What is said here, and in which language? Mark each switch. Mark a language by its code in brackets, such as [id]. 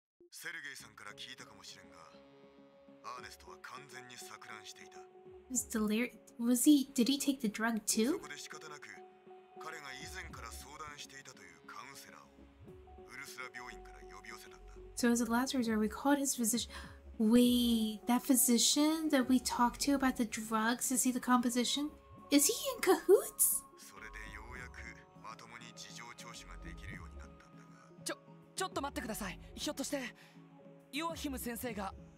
[ja] セルゲイさんから聞いたかもしれんが、アーネストは完全に錯乱していた。 [en] Did he take the drug too? [ja] そこで仕方なく、彼が以前から相談していたというカウンセラーをウルスラ病院から呼び寄せたんだ。 [en] So as a last resort, we called his physician. Wait, that physician that we talked to about the drugs to see the composition? Is he in cahoots? [ja] それでようやくまともに事情聴取ができるようになったんだが。ちょっと待ってください。ひょっとして、ヨアヒム先生が、